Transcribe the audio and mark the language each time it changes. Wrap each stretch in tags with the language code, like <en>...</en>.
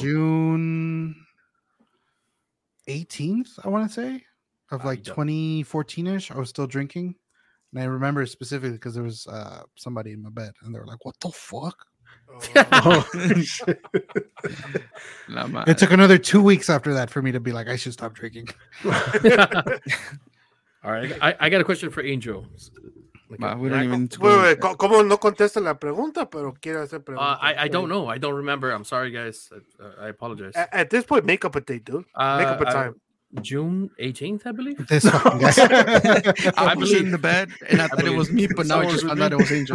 <en>June 18th, I want to say, of like 2014-ish. I was still drinking. And I remember specifically because there was somebody in my bed. And they were like, what the fuck? Oh. It took another 2 weeks after that for me to be like, I should stop drinking. All right, I got a question for Angel.</en> <es>¿Cómo no contesta la pregunta, pero quiere hacer preguntas?</es> <en>I don't know. I don't remember. I'm sorry, guys. I apologize. At this point, make up a date, dude. Make up a time. June 18th, I believe. This one, yeah. I was in the bed, and I thought it was me, but now I just found out it was Angel.</en>